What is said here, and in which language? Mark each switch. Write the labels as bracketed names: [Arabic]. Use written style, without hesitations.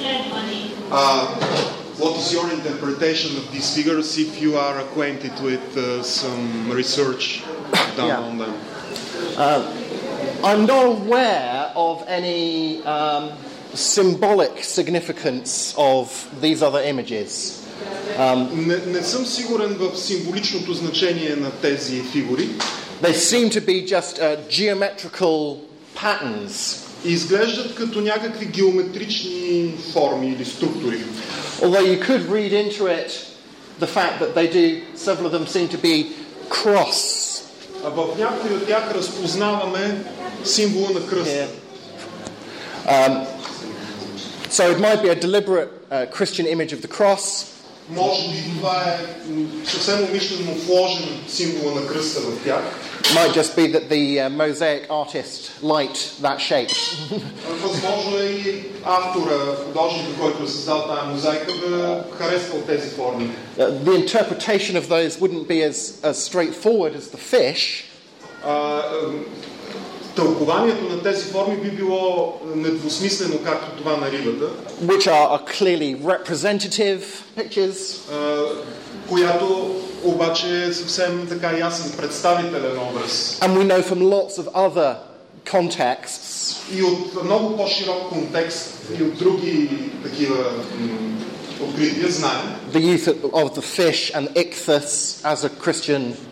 [English] What is your interpretation of these figures if you are acquainted with some research done yeah. on them? I'm not aware of any symbolic significance of these other images. [Bulgarian] Не съм сигурен в символичното значение на тези фигури. [English] They seem to be just a geometrical patterns. [Bulgarian] Изглеждат като някакви геометрични форми или структури. [English] Although you could read into it the fact that they do, several of them seem to be cross. [Bulgarian] А в някои от тях разпознаваме символа на кръст. [English] Yeah. So it might be a deliberate Christian image of the cross. [Bulgarian] Може би това е съвсем умишлено вложен символа на кръста в тях. [English] Might just be that the mosaic artist liked that shape. [Bulgarian] Възможно е и автора, художника, който е създал тази мозайка, да харесвал тези форми. [English] The interpretation of those wouldn't be as straightforward as the fish. [Bulgarian] Тълкованието на тези форми би било недвусмислено както това на рибата. [English] Which are clearly representative pictures. [Bulgarian] Която обаче е съвсем така ясен представителен образ. [English] And we know from lots of other contexts. [Bulgarian] И от много по-широк контекст и от други такива открития знаем. [English] The use of the fish and ichthus as a Christian